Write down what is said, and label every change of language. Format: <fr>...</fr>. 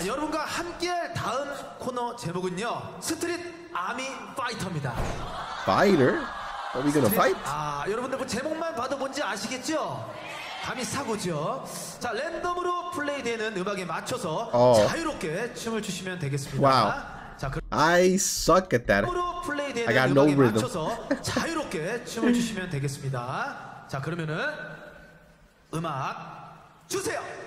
<ko>자, 여러분과 함께할 다음 코너 제목은요, 스트릿 아미 파이터입니다.</ko> <en>Fighter? Are we gonna fight?</en> <ko>아, 여러분들 그 제목만 봐도 뭔지 아시겠죠? 감이 사고죠. 자, 랜덤으로 플레이되는 음악에 맞춰서 자유롭게 춤을 추시면 되겠습니다.</ko> <en>Wow. 자, I suck at that. I got no rhythm.</en> <ko>음악에 맞춰서 자유롭게 춤을 추시면 되겠습니다. 자, 그러면은 음악 주세요.</ko>